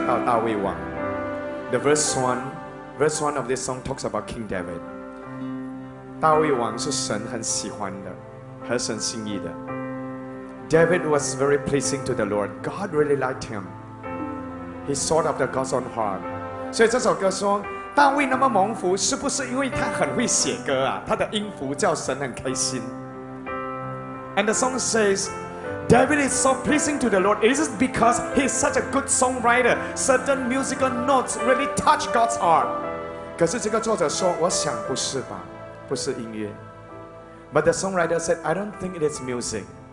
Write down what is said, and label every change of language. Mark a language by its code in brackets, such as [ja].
[en] The verse one of this song talks about King David. [zh] 大卫王是神很喜欢的，合神心意的。 [en] David was very pleasing to the Lord. God really liked him. He sought after God's own heart. [zh] 所以这首歌说，大卫那么蒙福，是不是因为他很会写歌啊？他的音符叫神很开心。 [en] And the song says. David is so pleasing to the Lord. Is it because he's such a good songwriter? Certain musical notes really touch God's heart. [zh] 可是这个作者说，我想不是吧，不是音乐。 [en] But the songwriter said, I don't think it is music.